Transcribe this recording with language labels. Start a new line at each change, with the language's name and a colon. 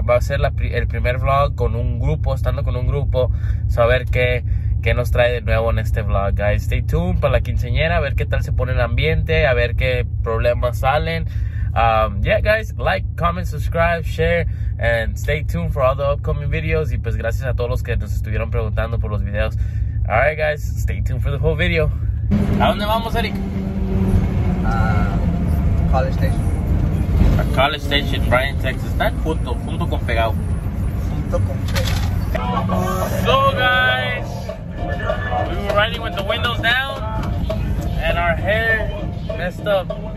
Spanish: Va a ser el primer vlog con un grupo, estando con un grupo.
English: So
Spanish: a ver qué nos trae de nuevo en este vlog,
English: guys. Stay tuned
Spanish: para la quinceañera, a ver qué tal se pone el ambiente, a ver qué problemas salen.
English: Yeah, guys, like, comment, subscribe, share, and stay tuned for all the upcoming videos.
Spanish: Y pues gracias a todos los que nos estuvieron preguntando por los videos.
English: Alright, guys, stay tuned for the whole video.
Spanish: ¿A dónde vamos, Eric?
English: College Station.
Spanish: A College Station, Bryan, Texas. Está junto, junto con pegado. Junto con pegado.
English: So, guys, we were riding with the windows down and our hair messed up.